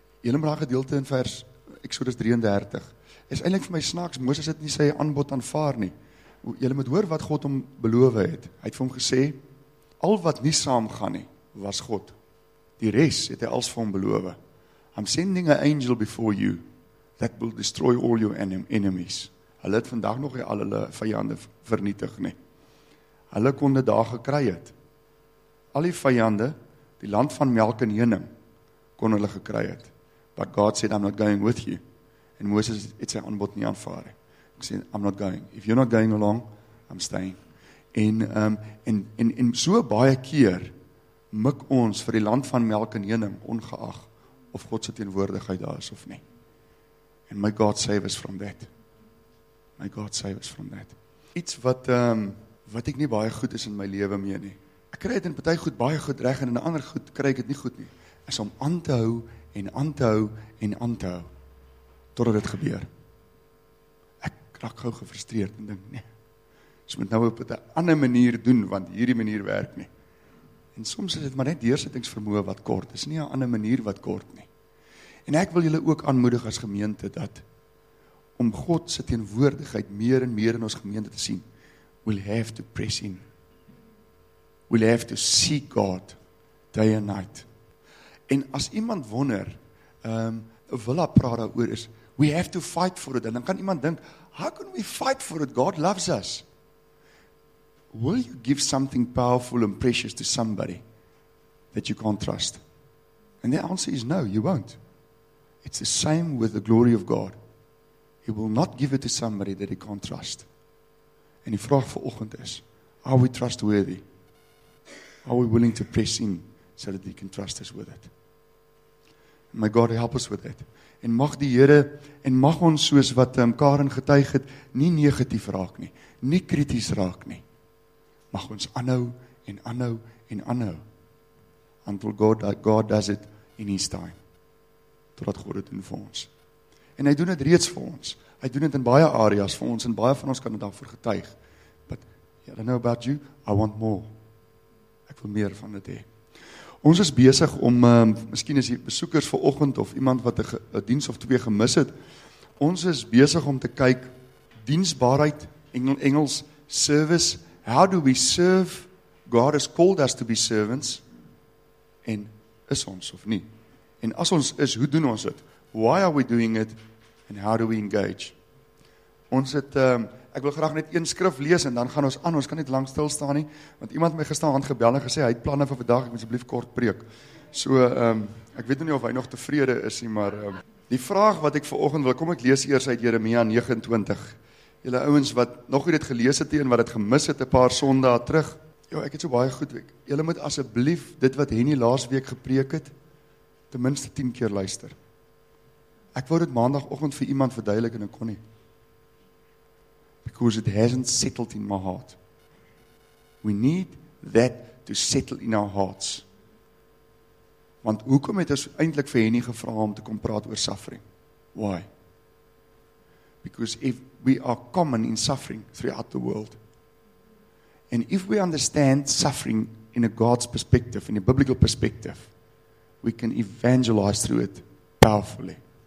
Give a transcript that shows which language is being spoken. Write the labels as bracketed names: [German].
[Afrikaans] Hele belangrike gedeelte in vers Exodus 33 is eintlik vir my snaaks, Moses het nie sy aanbod aanvaar nie. Julle moet hoor wat God hom beloof het. Hy het vir hom gesê, al wat nie saam gaan nie, was God. Die res het hy als vir hom beloof. [English] I'm sending an angel before you that will destroy all your enemies. [Afrikaans] Hulle het vandag nog nie al hulle vyande vernietig nie. Hulle kon dit daar gekry het. Al die vyande, die land van melk en honing, kon hulle gekry het. [English] But God said, I'm not going with you. [Afrikaans] En Moses het sy aanbod nie aanvaar. Ek sê, [English] I'm not going. If you're not going along, I'm staying. [Afrikaans] En so baie keer mik ons vir die land van melk en honing, ongeag of God se teenwoordigheid daar is of nie. [English] And my God save us from that. My God save us from that. [Afrikaans] Iets wat wat ek nie baie goed is in my lewe mee nie. Ek kry dit in party goed baie goed reg en in 'n ander goed kry ek dit nie goed nie. Is om aan te hou en aan te hou en aan te hou totdat dit gebeur. Ek raak gou gefrustreerd en dink nee. Ons moet nou op 'n ander manier doen want hierdie manier werk nie. En soms is dit maar net deursettingsvermoë wat kort. Dis nie 'n ander manier wat kort nie. En ek wil julle ook aanmoedig as gemeente dat om God se teenwoordigheid meer en meer in ons gemeente te sien, [English] we'll have to press in. We'll have to seek God day and night. [Afrikaans] En as iemand wonder, Willa praat daaroor is, [English] we have to fight for it. [Afrikaans] En dan kan iemand dink, [English] how can we fight for it? God loves us. Will you give something powerful and precious to somebody that you can't trust? And the answer is no, you won't. It's the same with the glory of God. He will not give it to somebody that he can't trust. [Afrikaans] En die vraag vir oggend is, [English] are we trustworthy? Are we willing to press in so that he can trust us with it? May God help us with that. [Afrikaans] En mag die Here, en mag ons soos wat Karen getuig het, nie negatief raak nie, nie krities raak nie. Mag ons aanhou en aanhou en aanhou. [English] Until God does it in his time. [Afrikaans] Totdat God het in vir ons. En hy doen dit reeds vir ons. Hy doen dit in baie areas vir ons en baie van ons kan dit daarvoor getuig. [English] But I don't know about you, I want more. [Afrikaans] Ek wil meer van dit hê. Ons is besig om, miskien is die besoekers vanoggend of iemand wat 'n diens of twee gemis het, ons is besig om te kyk, diensbaarheid, Engels, service, [English] how do we serve? God has called us to be servants. [Afrikaans] En is ons of nie? En as ons is, hoe doen ons dit? [English] Why are we doing it? And how do we engage? [Afrikaans] Ons het, ek wil graag net een skrif lees en dan gaan ons aan. Ons kan nie lang stilstaan nie. Want iemand my gisteraand gebel en gesê, hy het planne vir vandag, ek moet asseblief kort preek. So, ek weet nie of hy nog tevrede is nie, maar die vraag wat ek vanoggend wil, kom ek lees eers uit Jeremia 29. Julle ouens wat nog nie dit gelees het en wat het gemis het 'n paar sondae terug. Jo, ek het so baie goed. Julle moet asseblief dit wat Henny laas week gepreek het, ten minste 10 keer luister. Ek wou dit maandagoggend vir iemand verduidelik en ek kon nie. [English] because it hasn't settled in my heart. We need that to settle in our hearts. [Afrikaans] Want hoekom het ons eintlik vir Henny gevra om te kom praat oor suffering? [English] Why? Because if we are common in suffering throughout the world, and if we understand suffering in a God's perspective, in a biblical perspective, we can evangelize through it powerfully.